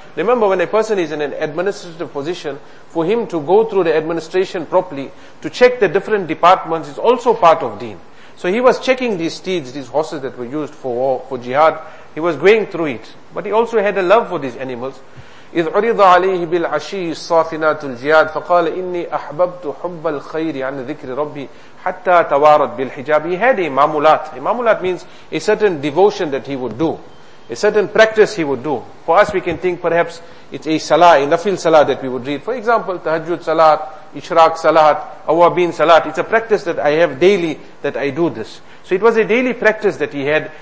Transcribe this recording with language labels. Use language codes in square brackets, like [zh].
[en] Remember, when a person is in an administrative position, for him to go through the administration properly, to check the different departments, is also part of deen. So he was checking these steeds, these horses that were used for war, for jihad. He was going through it. But he also had a love for these animals. [ar] إِذْ عُرِضَ عَلَيْهِ بِالْعَشِيِّ الصَّافِنَاتُ الْجِيَادِ فَقَالَ إِنِّي أَحْبَبْتُ حُبَّ الْخَيْرِ عَنْ ذِكْرِ رَبِّي حَتَّى تَوَارَدْ بِالْحِجَابِ. [en] He had a mamulat. A mamulat means a certain devotion that he would do, a certain practice he would do. For us, we can think perhaps it's a salah, a nafil salah that we would read. For example, tahajjud salat, ishraq salat, awabin salat. It's a practice that I have daily that I do this. So it was a daily practice that he had.